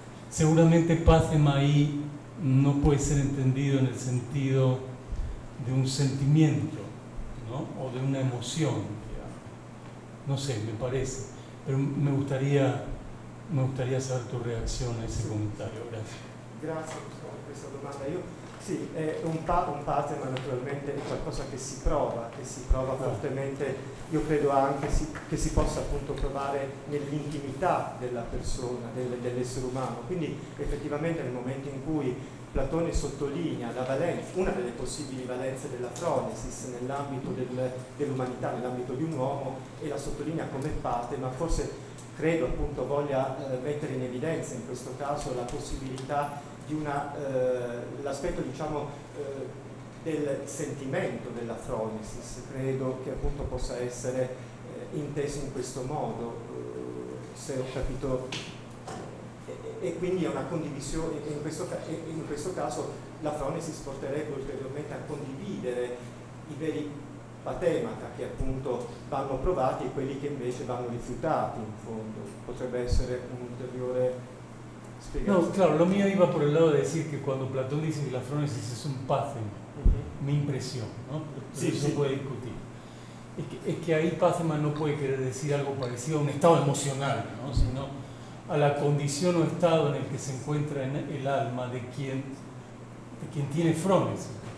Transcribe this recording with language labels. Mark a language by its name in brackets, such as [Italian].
[Spanish] Seguramente pathema ahí no puede ser entendido en el sentido de un sentimiento, ¿no? O de una emoción, no sé, me parece, pero me gustaría saber tu reacción a ese comentario. Gracias [Italian] por questa domanda. Io sì, è un pathema, ma naturalmente è qualcosa che si prova fortemente. Io credo anche che si possa appunto provare nell'intimità della persona, dell'essere umano, quindi effettivamente nel momento in cui Platone sottolinea la valenza, una delle possibili valenze della phronesis nell'ambito dell'umanità, nell'ambito di un uomo, e la sottolinea come parte, ma forse credo appunto voglia mettere in evidenza in questo caso la possibilità di l'aspetto, diciamo, del sentimento della phronesis, credo che appunto possa essere inteso in questo modo, se ho capito. E quindi è una condivisione, in questo caso la phronesis porterebbe ulteriormente a condividere i veri patemata che appunto vanno provati e quelli che invece vanno rifiutati, in fondo. Potrebbe essere un'ulteriore spiegazione. [Spanish] No, claro, lo mio iba por el lado de decir que cuando Platón dice que la phronesis es un pathema, mi impresión, ¿no? Sí, eso sí. Puede discutir. Es que ahí pathema no puede querer decir algo parecido a un estado emocional, ¿no? Sino a la condición o estado en el que se encuentra en el alma de quien tiene phronesis.